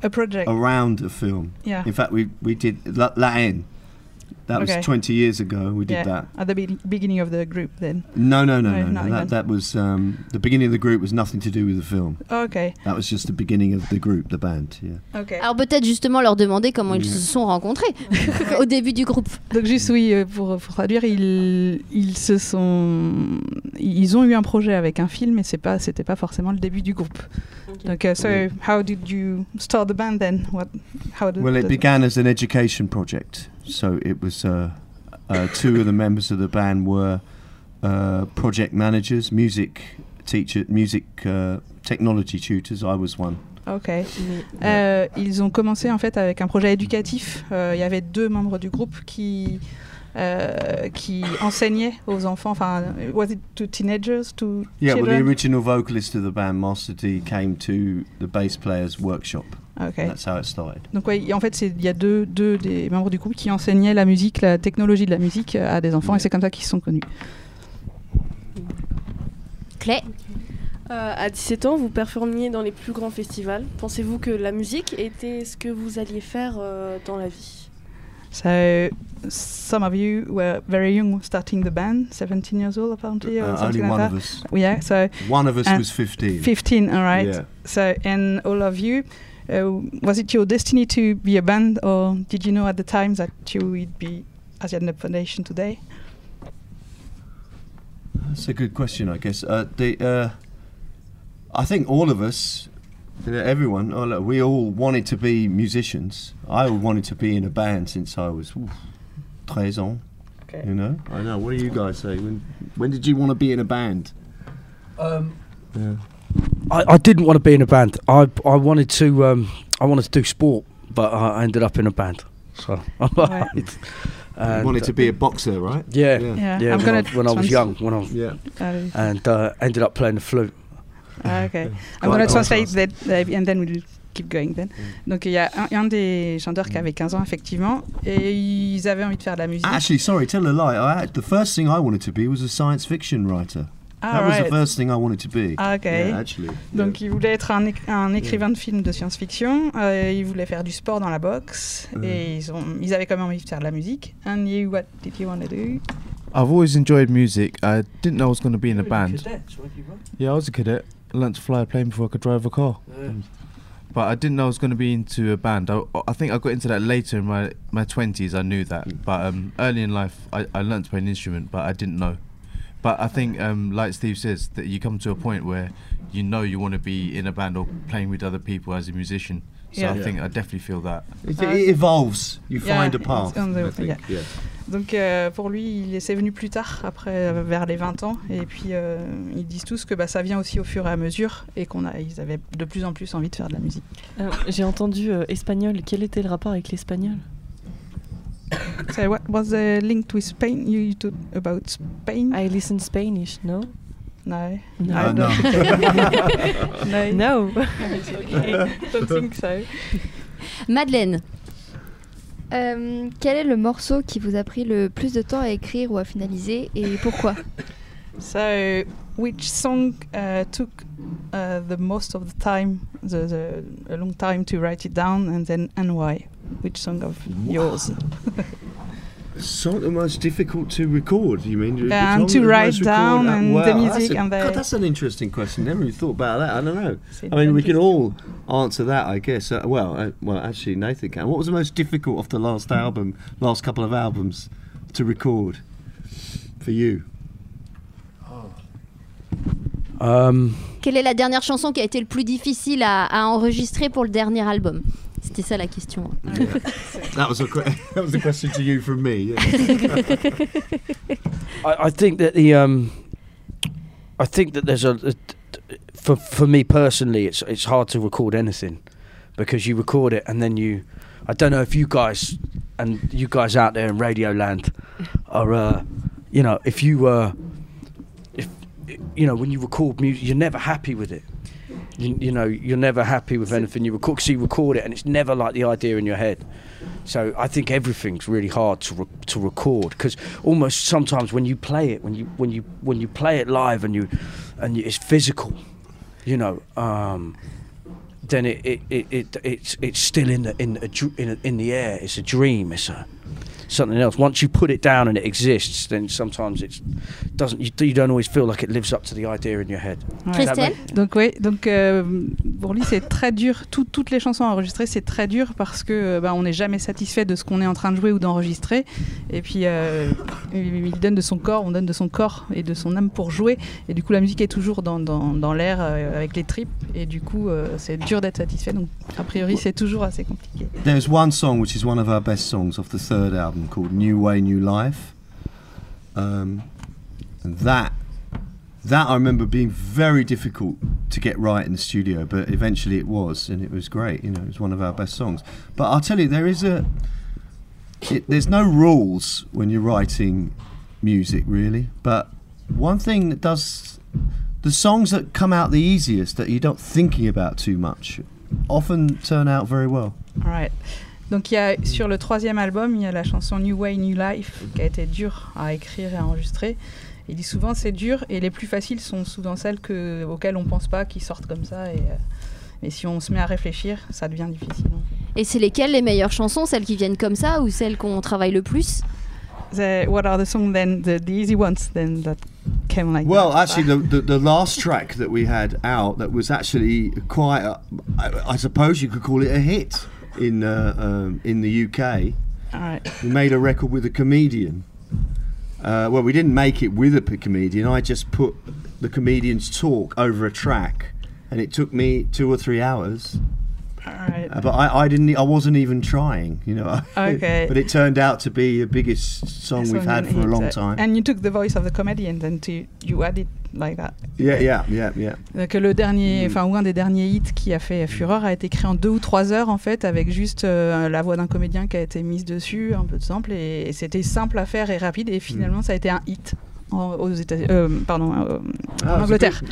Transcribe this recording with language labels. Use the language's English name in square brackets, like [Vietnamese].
[English] A project around a film. Yeah. In fact, we did Latin. That was 20 years ago, we did that. At the beginning of the group, then? No. That was... the beginning of the group was nothing to do with the film. Oh, okay. That was just the beginning of the group, the band, yeah. Okay. [French] Alors peut-être justement leur demander comment ils se sont rencontrés au début du groupe. Donc juste, oui, pour traduire, ils se sont... Ils ont eu un projet avec un film, mais c'était pas forcément le début du groupe. [English] Okay. Donc, how did you start the band, then? Began as an education project. So it was two of the members of the band were project managers, technology tutors. I was one. Okay. [French] Ils ont commencé en fait avec un projet éducatif. Il y avait deux membres du groupe qui enseignaient aux enfants. [English] Enfin, was it to teenagers? To yeah. Children? Well, the original vocalist of the band, Master D, came to the bass player's workshop. Okay. That's how it started. [French] Donc ouais, en fait, il y a deux des membres du groupe qui enseignaient la musique, la technologie de la musique à des enfants, et c'est comme ça qu'ils se sont connus. Clay. À 17 ans, vous performiez dans les plus grands festivals. Pensez-vous que la musique était ce que vous alliez faire dans la vie? [English] So, some of you were very young, starting the band, 17 years old, apparently, or something like that. Only one of us. Yeah, so... One of us was 15. 15, all right. Yeah. So, and all of you... was it your destiny to be a band, or did you know at the time that you would be Asian Foundation today? That's a good question, I guess. I think all of us, everyone, we all wanted to be musicians. I wanted to be in a band since I was 13 ans. Okay. You know? I know. What do you guys say? When did you want to be in a band? I didn't want to be in a band. I wanted to do sport, but I ended up in a band. So you wanted to be a boxer, right? Yeah. When I was young. Ended up playing the flute. Okay. I'm going to translate that, and then we'll keep going then. [French] Donc il y a un des chanteurs qui avait 15 ans effectivement, et ils avaient envie de faire de la musique. [English] Actually, sorry, tell a lie. The first thing I wanted to be was a science fiction writer. That was the first thing I wanted to be. Ah, okay. Yeah, actually. [French] Donc, il voulait être un écrivain de films de science-fiction. Il voulait faire du sport dans la boxe. Et ils avaient quand même envie de faire de la musique. [English] And you, what did you want to do? I've always enjoyed music. I didn't know I was going to be in a band. Yeah, I was a cadet. I learned to fly a plane before I could drive a car. But I didn't know I was going to be into a band. I think I got into that later in my 20s. I knew that. But early in life, I learned to play an instrument, but I didn't know. But I think, like Steve says, that you come to a point where you know you want to be in a band or playing with other people as a musician. So I think I definitely feel that. It evolves. You find a path. [French] Donc pour lui, c'est venu plus tard, après vers les 20 ans. Et puis ils disent tous que ça vient aussi au fur et à mesure et qu'ils avaient de plus en plus envie de faire de la musique. J'ai entendu espagnol. Quel était le rapport avec l'espagnol? [English] So what was the link with Spain? You talk about Spain? I listen Spanish, no? No. No. No. No. I don't think so. Madeleine. [French] Quel est le morceau qui vous a pris le plus de temps à écrire ou à finaliser et pourquoi? [English] So, which song took the most of the time, a long time to write it down, and then and why? Which song of yours? sort of the most difficult to record, you mean? And to write down and well, the music. God, that's an interesting question. Never even thought about that. I don't know. I mean, we can all answer that, I guess. Well, actually, Nathan can. What was the most difficult of the last album, last couple of albums to record for you? [French] Quelle est la dernière chanson qui a été le plus difficile à enregistrer pour le dernier album? C'était ça la question. [English] That was a question to you from me. Yeah. I think that there's for me personally, it's hard to record anything because you record it and then you, I don't know if you guys and you guys out there in Radio Land are, you know, if you were. You know, when you record music, you're never happy with it. You know, you're never happy with anything you record. So you record it, and it's never like the idea in your head. So I think everything's really hard to record because almost sometimes when you play it, when you play it live, and it's physical, you know, then it's still in the air. It's a dream. It's a something else. Once you put it down and it exists, then sometimes it doesn't. You don't always feel like it lives up to the idea in your head. Christelle, [French] donc oui, donc pour lui c'est très dur. Toutes les chansons enregistrées c'est très dur parce que on n'est jamais satisfait de ce qu'on est en train de jouer ou d'enregistrer. Et puis il donne de son corps, on donne de son corps et de son âme pour jouer. Et du coup la musique est toujours dans l'air avec les tripes. Et du coup c'est dur d'être satisfait. Donc a priori c'est toujours assez compliqué. [English] There's one song which is one of our best songs of the third album. Called New Way, New Life. That I remember being very difficult to get right in the studio, but eventually it was, and it was great. You know, it was one of our best songs. But I'll tell you, there's no rules when you're writing music, really. But one thing that does, the songs that come out the easiest, that you're not thinking about too much, often turn out very well. All right. [French] Donc il y a, sur le troisième album, il y a la chanson New Way, New Life, qui a été dure à écrire et à enregistrer. Il dit souvent c'est dur, et les plus faciles sont souvent celles auxquelles on ne pense pas, qui sortent comme ça. Mais si on se met à réfléchir, ça devient difficile. Et c'est lesquelles les meilleures chansons, celles qui viennent comme ça, ou celles qu'on travaille le plus? [English] What are the songs then, the easy ones then that came like well, that? Well, actually, the last track that we had out that was actually quite, I suppose you could call it a hit. In the UK, right. We made a record with a comedian. Well, we didn't make it with a comedian. I just put the comedian's talk over a track, and it took me 2 or 3 hours. Right. But I didn't. I wasn't even trying. You know. Okay. But it turned out to be the biggest song we've had for a long time. And you took the voice of the comedian, then you added. Like that. Yeah. [French] Que le dernier, enfin ou un des derniers hits qui a fait fureur a été créé en 2 ou 3 heures en fait, avec juste la voix d'un comédien qui a été mise dessus, un peu de sample, et c'était simple à faire et rapide, et finalement ça a été un hit aux États-Unis, en Angleterre.